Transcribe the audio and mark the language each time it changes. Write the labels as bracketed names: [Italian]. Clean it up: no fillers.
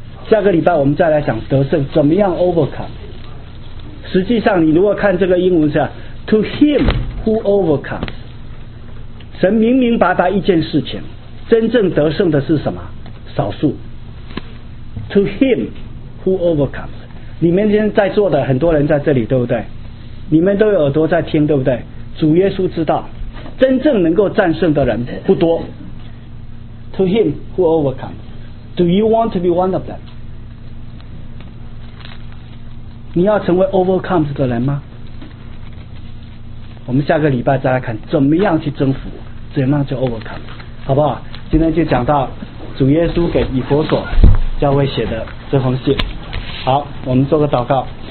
[Chinese] 下个礼拜我们再来讲得胜怎么样 overcome。实际上你如果看这个英文是 [English] To him who overcomes， [Chinese] 神明明白白一件事情，真正得胜的是什么？少数。 [English] To him who overcomes， [Chinese] 你们现在坐的很多人在这里，对不对？你们都有耳朵在听，对不对？主耶稣知道真正能够战胜的人不多。 [English] To him who overcomes， Do you want to be one of them？ [Chinese] 你要成为 overcomes 的人吗？我们下个礼拜再来看怎么样去征服，怎么样去 overcome， 好不好？今天就讲到主耶稣给以弗所教会写的这封信。好，我们做个祷告。